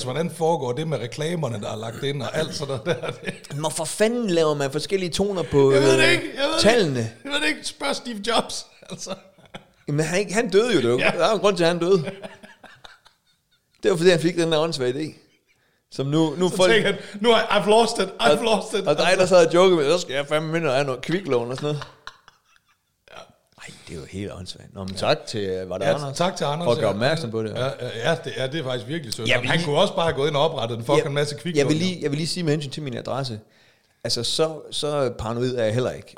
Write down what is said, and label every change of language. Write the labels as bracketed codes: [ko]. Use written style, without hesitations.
[da] Hvordan foregår det med reklamerne, der er lagt ind, og alt sådan der? Hvorfor fanden laver man forskellige toner på tallene? Jeg ved det ikke. Spørg Steve Jobs, altså. Jamen, han døde jo, det var jo en grund til, at han døde. Det var, fordi han fik den der åndssvage idé. Som nu så folk, tænker han, nu [en] I've lost it, I've lost it. [da] Og dig, der sad og joker med, så skal jeg fandme mindre have noget kviklån og sådan noget. Ja. Ej, det er jo helt åndssvagt. Nå, men tak til, var det Anders? Tak til Anders. For at gøre opmærksom på det. Ja, det er faktisk virkelig sødt. Han kunne også bare have gået ind og oprettet en fucking masse kviklån. Jeg vil lige sige med hensyn til min adresse. Altså, så paranoid er jeg heller ikke.